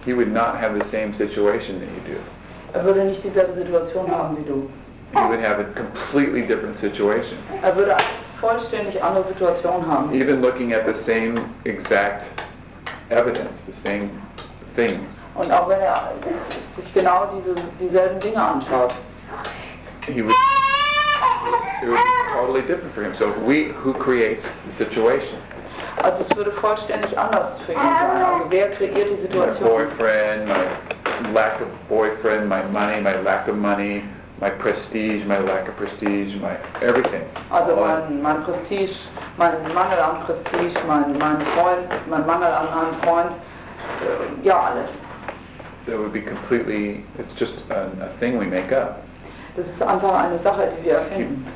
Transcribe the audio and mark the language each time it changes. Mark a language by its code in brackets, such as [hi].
[en] he would not have the same situation that you do. [de] Er würde nicht dieselbe Situation haben wie du. [en] He would have a completely different situation. [de] Er würde eine vollständig andere Situation haben. [en] Even looking at the same exact evidence, the same things. [de] Und auch wenn er sich genau dieselben Dinge anschaut. [en] It would be totally different for him. So who creates the situation? [de] Also es würde vollständig anders für ihn sein. Also wer kreiert die Situation? [en] My boyfriend, my lack of boyfriend, my money, my lack of money, my prestige, my lack of prestige, my everything. [de] Also mein Prestige, mein Mangel an Prestige, mein Freund, mein Mangel an einem Freund, ja alles. [en] That would be completely, it's just a thing we make up. [de] Das ist einfach eine Sache, die wir erfinden.